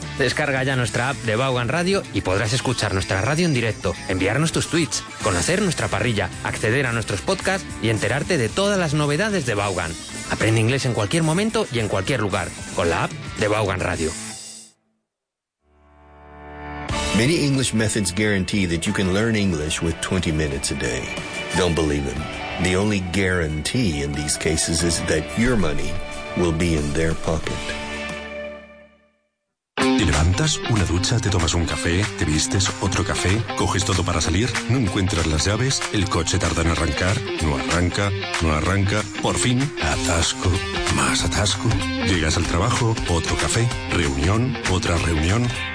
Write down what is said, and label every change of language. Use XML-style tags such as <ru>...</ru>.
<es>Descarga ya nuestra app de Vaughan Radio y podrás escuchar nuestra radio en directo, enviarnos tus tweets, conocer nuestra parrilla, acceder a nuestros podcasts y enterarte de todas las novedades de Vaughan. Aprende inglés en cualquier momento y en cualquier lugar con la app de Vaughan Radio.</es> <en>Many English methods guarantee that you can learn English with 20 minutes a day. Don't believe them. The only guarantee in these cases is that your money will be in their pocket.</en> <es>Te levantas, una ducha, te tomas un café, te vistes, otro café, coges todo para salir, no encuentras las llaves, el coche tarda en arrancar, no arranca, por fin, atasco, más atasco, llegas al trabajo, otro café, reunión, otra reunión.</es>